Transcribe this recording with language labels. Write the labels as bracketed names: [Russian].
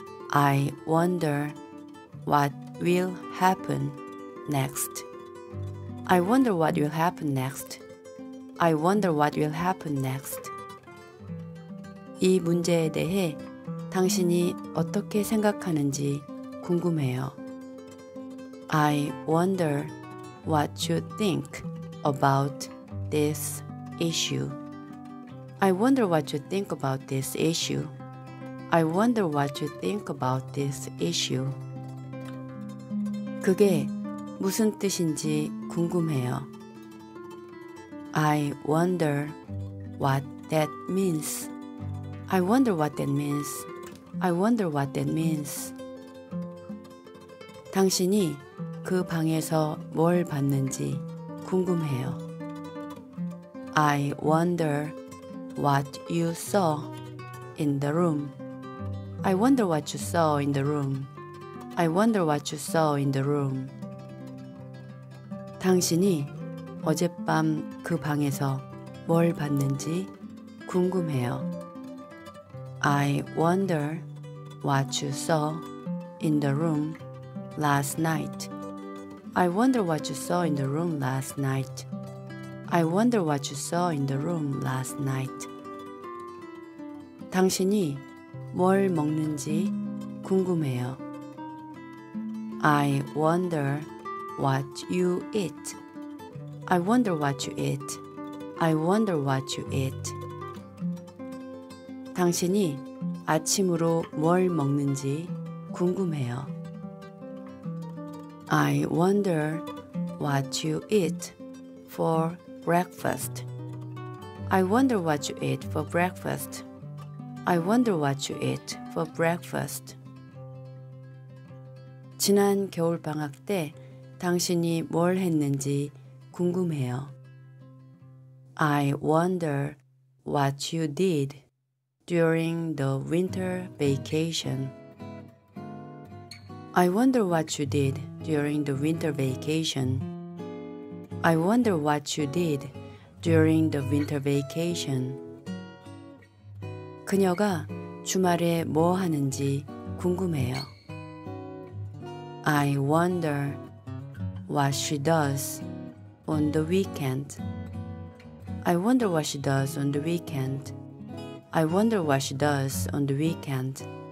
[English] I wonder what will happen next. I wonder what will happen next. I wonder what will happen next. [Korean] 이 문제에 대해 당신이 어떻게 생각하는지 궁금해요. [English] I wonder what you think about this issue. I wonder what you think about this issue. I wonder what you think about this issue. [Korean] 그게 무슨 뜻인지 궁금해요. [English] I wonder what that means. I wonder what that means. I wonder what that means. [Korean] 당신이 그 방에서 뭘 봤는지 궁금해요. [English] I wonder what you saw in the room. I wonder what you saw in the room. I wonder what you saw in the room. [Korean] 당신이 어젯밤 그 방에서 뭘 봤는지 궁금해요. [English] I wonder what you saw in the room last night. I wonder what you saw in the room last night. I wonder what you saw in the room last night. [Korean] 당신이 뭘 먹는지 궁금해요. [English] I wonder what you eat. I wonder what you eat. I wonder what you eat. [Korean] 당신이 아침으로 뭘 먹는지 궁금해요. [English] I wonder what you eat for breakfast. I wonder what you eat for breakfast. I wonder what you eat for breakfast. [Korean] 지난 겨울 방학 때 당신이 뭘 했는지 궁금해요. [English] I wonder what you did during the winter vacation. I wonder what you did during the winter vacation. I wonder what you did during the winter vacation. [Korean] 그녀가 주말에 뭐 하는지 궁금해요. [English] I wonder what she does on the weekend. I wonder what she does on the weekend. I wonder what she does on the weekend.